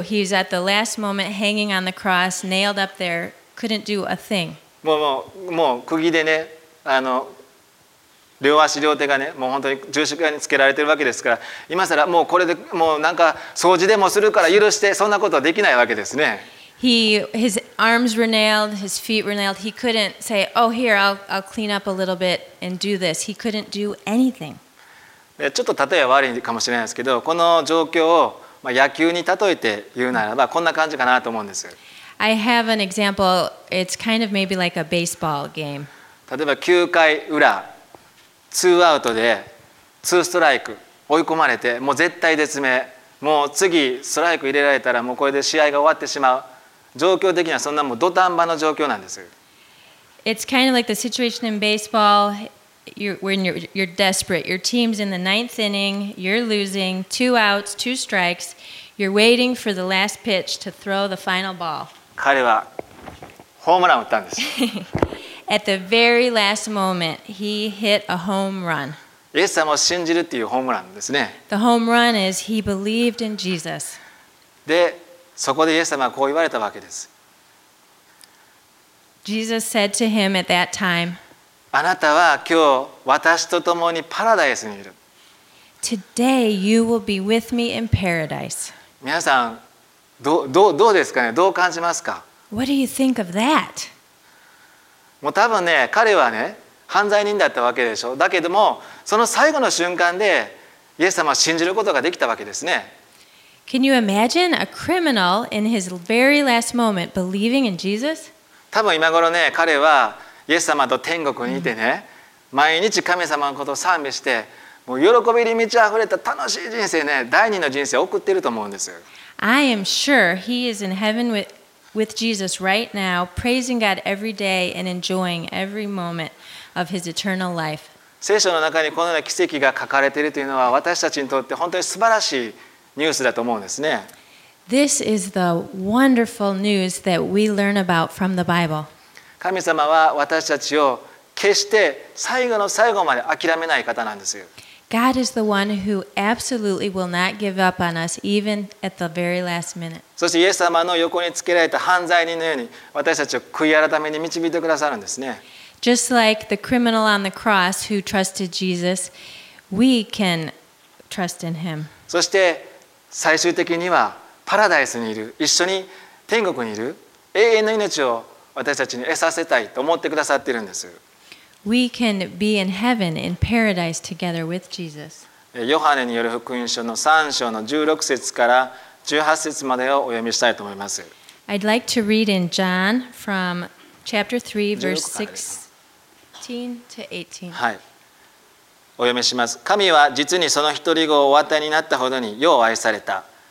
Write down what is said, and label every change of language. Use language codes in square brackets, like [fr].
[en] He's at the last moment hanging on the cross, nailed up there, couldn't do a thing. [ja] もう釘でね、両足両手がね、もう本当に十字架につけられてるわけですから、今さらもうこれでもうなんか掃除でもするから許して、そんなことはできないわけですね。 [en] His arms were nailed, his feet were nailed. He couldn't say, oh, here, I'll clean up a little bit and do this. He couldn't do anything. [ja] ちょっと例えは悪いかもしれないですけど、この状況を野球に例えて言うならば、こんな感じかなと思うんです。 [en] I have an example. It's kind of maybe like a baseball game. [ja] 例えば9回裏、ツーアウトで、ツーストライク、追い込まれて、もう絶対絶命、もう次ストライク入れられたら、もうこれで試合が終わってしまう。状況的にはそんなもう土壇場の状況なんです。 [en] It's kind of like the situation in baseball. You're desperate. Your team's in the ninth inning. You're losing. Two outs, two strikes. You're waiting for the last pitch to throw the final ball. [ja] 彼はホームランを打ったんです。 [en] At the very last moment, he hit a home run. [ja] イエス様を信じるっていうホームランですね。 [en] The home run is he believed in Jesus. [ja] で、そこでイエス様はこう言われたわけです。 [en] Jesus said to him at that time, [ja] あなたは今日私と共にパラダイスにいる。 [en] Today you will be with me in paradise. [ja] 皆さん、どうですかね、どう感じますか。 [en] What do you think of that? [ja] もう多分ね、彼はね、犯罪人だったわけでしょ。だけども、その最後の瞬間でイエス様を信じることができたわけですね。 [en] Can you imagine a criminal in his very last moment believing in Jesus? [ja] 多分今頃ね、彼はイエス様と天国にいてね、毎日神様のことを賛美して、もう喜びに満ち溢れた楽しい人生ね、第二の人生を送っていると思うんです。 [en] I am sure he is in heaven with Jesus right now, praising God every day and enjoying every moment of his eternal life. [ja] 聖書の中にこのような奇跡が書かれているというのは、私たちにとって本当に素晴らしいニュースだと思うんですね。 [en] This is the wonderful news that we learn about from the Bible. [ja] 神様は私たちを決して最後の最後まで諦めない方なんですよ。 [en] God is the one who absolutely will not give up on us even at the very last minute. [ja] そしてイエス様の横につけられた犯罪人のように私たちを悔い改めに導いてくださるんですね。 [en] Just like the criminal on the cross who trusted Jesus, we can trust in him. [ja] そして最終的にはパラダイスにいる、一緒に天国にいる、永遠の命を私たちに得させたいと思ってくださっているんです。 [en] We can be in heaven in paradise together with Jesus. [ja] ヨハネによる福音書の3章の16節から18節までをお読みしたいと思います。 [en] I'd like to read in John from chapter 3, verse 16 to 18. [ja] はい。お読みします。神は実にその一人子をお与えになったほどによう愛された。